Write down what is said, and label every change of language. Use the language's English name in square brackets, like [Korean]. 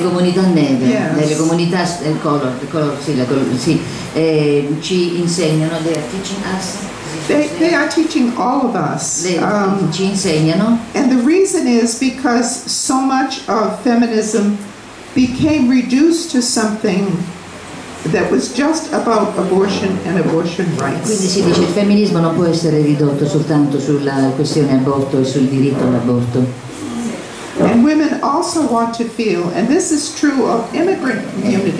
[Italian] comunità nere, dalle comunità color, sì, la color, sì, ci insegnano, [English] they are teaching us. They are teaching all of us. [Italian] Ci insegnano. [English] And the reason is because so much of feminism became reduced to something that was just about abortion and abortion rights. [Italian] Quindi si dice il femminismo non può essere ridotto soltanto sulla questione aborto e sul diritto all'aborto. [English] And women also want to feel, and this is true of immigrant communities.